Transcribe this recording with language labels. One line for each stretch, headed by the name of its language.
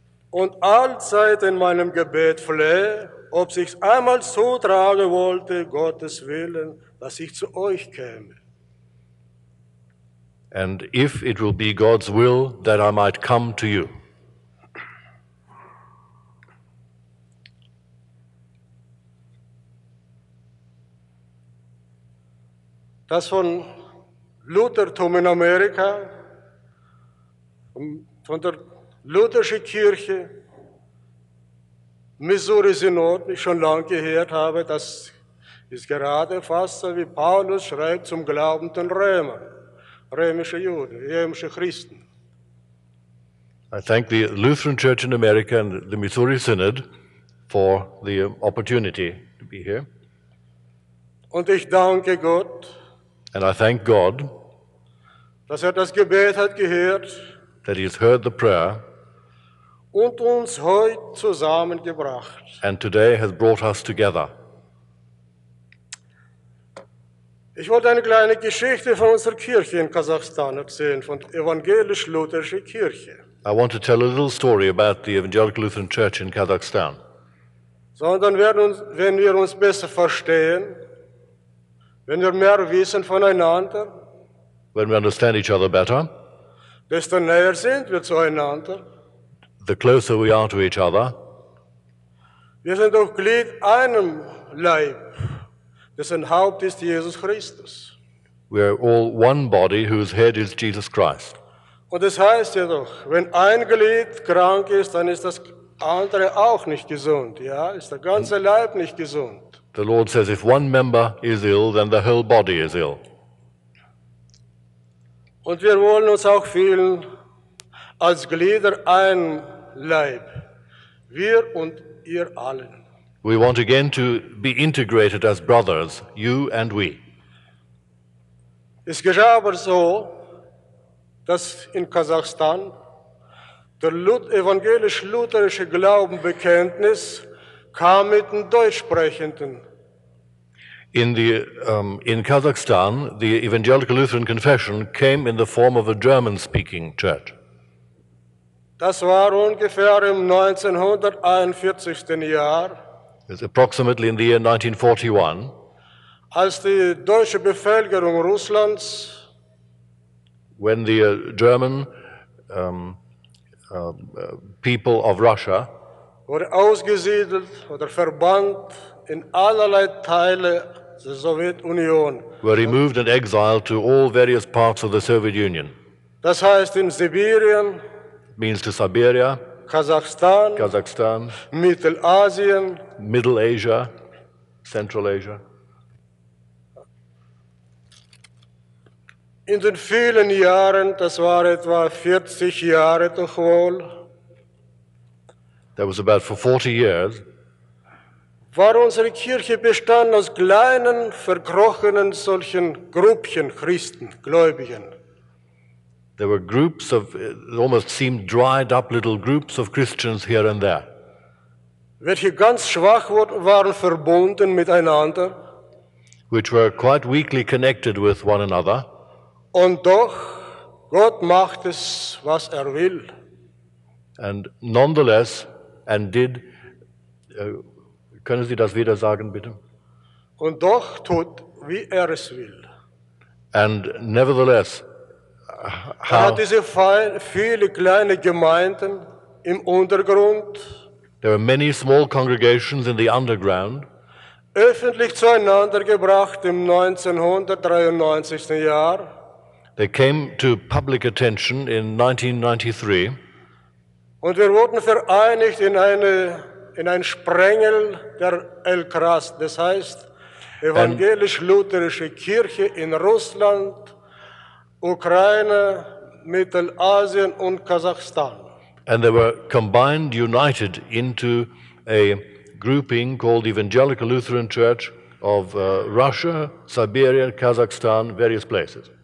German: Und allzeit in meinem Gebet flehe, ob sich's einmal so tragen wollte, Gottes Willen, dass ich zu euch käme.
English: And if it will be God's will that I might come to you.
German: Das von Luthertum in Amerika, von der lutherischen Kirche, Missouri Synod, ich schon lange gehört habe, das ist gerade fast so, wie Paulus schreibt zum glaubenden Römer, römische Juden, römische Christen.
English: I thank the Lutheran Church in America and the Missouri Synod for the opportunity to be here.
German: Und ich danke Gott,
English: and I thank God,
German: dass er das Gebet hat gehört,
English: that he has heard the prayer,
German: und uns heute zusammengebracht,
English: and today has brought us together.
German: Ich wollte eine kleine Geschichte von unserer Kirche in Kasachstan erzählen, von der evangelisch-lutherischen Kirche.
English: I want to tell a little story about the Evangelical Lutheran Church in Kazakhstan.
German: Sondern wenn wir uns besser verstehen, wenn wir mehr wissen voneinander,
English: when we understand each other better,
German: desto näher sind wir zueinander,
English: the closer we are to each other.
German: Wir sind doch Glied einem Leib, dessen Haupt ist Jesus Christus.
English: We are all one body whose head is Jesus Christ.
German: Und das heißt ja doch, wenn ein Glied krank ist, dann ist das andere auch nicht gesund, ja? Ist der ganze Leib nicht gesund.
English: The Lord says, if one member is ill, then the whole body is ill.
German: Und wir wollen uns auch fühlen als Glieder ein Leib. Wir und ihr allen.
English: We want again to be integrated as brothers, you and we.
German: Es geschah aber so, dass in Kasachstan der evangelisch-lutherische Glaubenbekenntnis kam mit den Deutschsprechenden.
English: In Kazakhstan, the Evangelical Lutheran Confession came in the form of a German-speaking church.
German: Das war ungefähr im 1941. Jahr.
English: It's approximately in the year 1941.
German: Als die deutsche Bevölkerung Russlands,
English: when the German people of Russia
German: wurde ausgesiedelt oder verbannt in allerlei Teile der Sowjetunion,
English: were removed and exiled to all various parts of the Soviet Union.
German: Das heißt in Sibirien,
English: means to Siberia,
German: Kazakhstan, Mittelasien,
English: Middle Asia, Central Asia.
German: In den vielen Jahren, das war etwa 40 Jahre doch wohl.
English: That was about for 40 years.
German: War unsere Kirche bestand aus kleinen, verkrochenen solchen Gruppchen, Christen, Gläubigen.
English: There were groups of, it almost seemed dried up little groups of Christians here and there.
German: Welche ganz schwach waren verbunden miteinander.
English: Which were quite weakly connected with one another.
German: Und doch, Gott macht es, was will.
English: And nonetheless, and did,
German: können Sie das wieder sagen, bitte? Und doch tut, wie es will.
English: And nevertheless, how?
German: Diese viele kleine Gemeinden im Untergrund.
English: There were many small congregations in the underground.
German: Öffentlich zueinander gebracht im 1993. Jahr.
English: They came to public attention in 1993.
German: Und wir wurden vereinigt in eine in ein Sprengel der LKRAS, das heißt Evangelisch-Lutherische Kirche in Russland, Ukraine, Mittelasien und Kasachstan.
English: And they were combined, united into a grouping called Evangelical Lutheran Church of Russia, Siberia, Kazakhstan, various places.